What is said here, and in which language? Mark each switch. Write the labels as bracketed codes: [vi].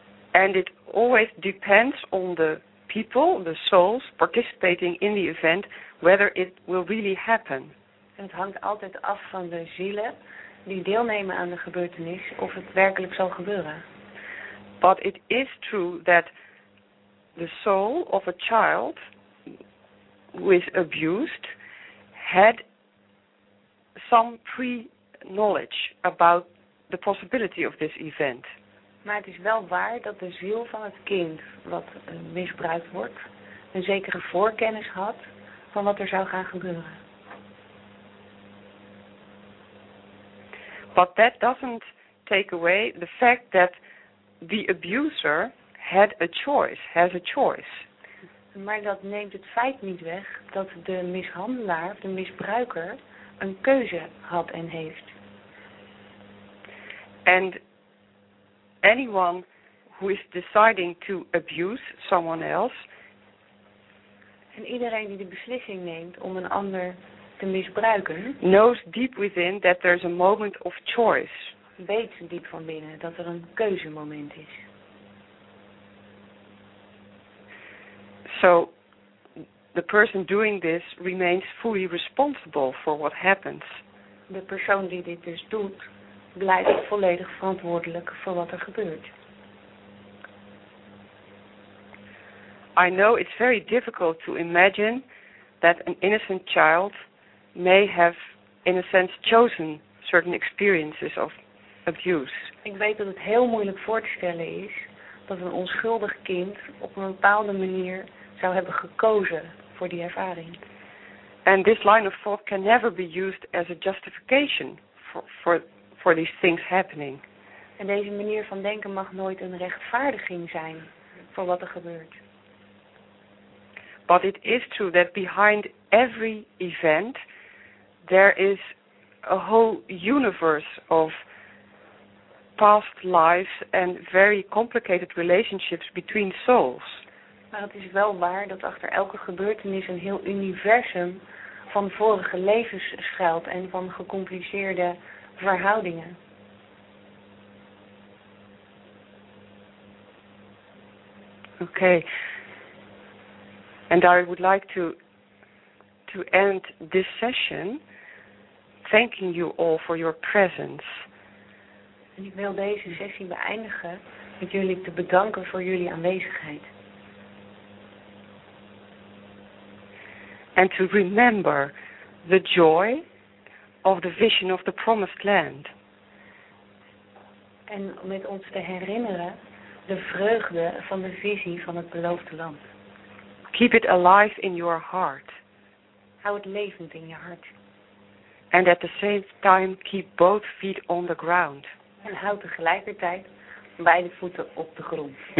[en] And it always depends on the people, the souls participating in the event, whether it will really happen. [nl] En het hangt altijd af van de zielen die deelnemen aan de gebeurtenis, of het werkelijk zal gebeuren. [en] But it is true that the soul of a child who is abused had some pre-knowledge about the possibility of this event. [nl] Maar het is wel waar dat de ziel van het kind wat misbruikt wordt een zekere voorkennis had van wat er zou gaan gebeuren. [en] But that doesn't take away the fact that the abuser had a choice, has a choice. [nl] Maar dat neemt het feit niet weg dat de mishandelaar of de misbruiker een keuze had en heeft. [en] And anyone who is deciding to abuse someone else. [nl] En iedereen die de beslissing neemt om een ander te misbruiken, [en] knows deep within that there's a moment of choice. [nl] Weet diep van binnen dat er een keuzemoment is. [en] So the person doing this remains fully responsible for what happens. [nl] De persoon die dit dus doet blijft volledig verantwoordelijk voor wat er gebeurt. [en] I know it's very difficult to imagine that an innocent child may have, in a sense, chosen certain experiences of abuse. [nl] Ik weet dat het heel moeilijk voor te stellen is dat een onschuldig kind op een bepaalde manier zou hebben gekozen voor die ervaring. [en] And this line of thought can never be used as a justification for these things happening. [nl] En deze manier van denken mag nooit een rechtvaardiging zijn voor wat er gebeurt. [en] But it is true that behind every event there is a whole universe of past lives and very complicated relationships between souls. [nl] Maar het is wel waar dat achter elke gebeurtenis een heel universum van vorige levens schuilt en van gecompliceerde verhoudingen. [en] Okay. And I would like to to end this session thanking you all for your presence. [nl] En ik wil deze sessie beëindigen met jullie te bedanken voor jullie aanwezigheid. [en] And to remember the joy of the vision of the promised land. [nl] En met ons te herinneren de vreugde van de visie van het beloofde land. [en] Keep it alive in your heart. [nl] Hou het levend in je hart. [en] And at the same time keep both feet on the ground. [nl] En hou tegelijkertijd beide voeten op de grond.